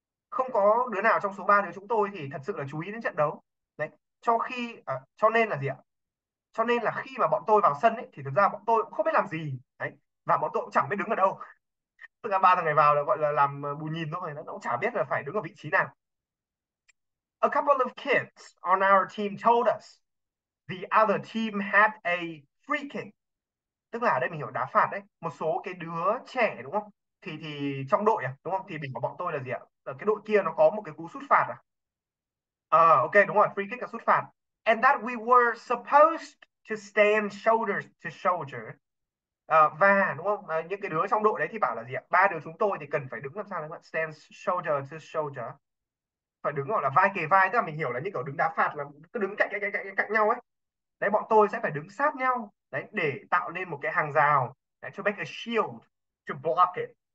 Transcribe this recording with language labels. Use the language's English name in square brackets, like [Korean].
[Vietnamese] Không có đứa nào trong số 3 đứa chúng tôi thì thật sự là chú ý đến trận đấu. Đấy, cho nên là gì ạ? Cho nên là khi mà bọn tôi vào sân ấy thì thực ra bọn tôi cũng không biết làm gì. Đấy, và bọn tôi cũng chẳng biết đứng ở đâu. Tức là ba thằng này vào là gọi là làm bù nhìn thôi, nó cũng chả biết là phải đứng ở vị trí nào. [English] A couple of kids on our team told us the other team had a free kick. [Vietnamese] Tức là ở đây mình hiểu đá phạt đấy. Một số cái đứa trẻ đúng không? Thì trong đội à, đúng không? Thì mình của bọn tôi là gì ạ? Là cái đội kia nó có một cái cú sút phạt à? Ok, đúng rồi, free kick là sút phạt. [English] And that we were supposed to stand shoulder to shoulder. [Vietnamese] Và đúng không? Những cái đứa trong đội đấy thì bảo là gì ạ? Ba đứa chúng tôi thì cần phải đứng làm sao đấy bạn? [English] Stand shoulder to shoulder. [Vietnamese] Phải đứng gọi là vai kề vai, tức là mình hiểu là như kiểu đứng đá phạt là cứ đứng cạnh nhau ấy. Đấy, bọn tôi sẽ phải đứng sát nhau đấy để tạo nên một cái hàng rào để cho [English] make a shield to block it.